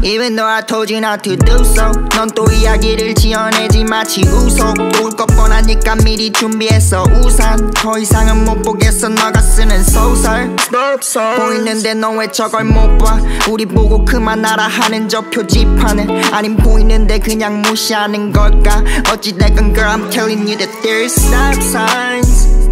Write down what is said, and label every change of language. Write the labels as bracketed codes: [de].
[en] Even though I told you not to do so. [ko] 넌 또 이야기를 지어내지 마치 웃어. 울 것 뻔하니까 미리 준비했어 우산. 더 이상은 못 보겠어 너가 쓰는 소설. [en] Stop signs. [ko] 보이는데 넌 왜 저걸 못 봐. 우리 보고 그만하라 하는 저 표지판을. 아님 보이는데 그냥 무시하는 걸까. [en] 어찌됐건 girl I'm telling you that there's stop signs.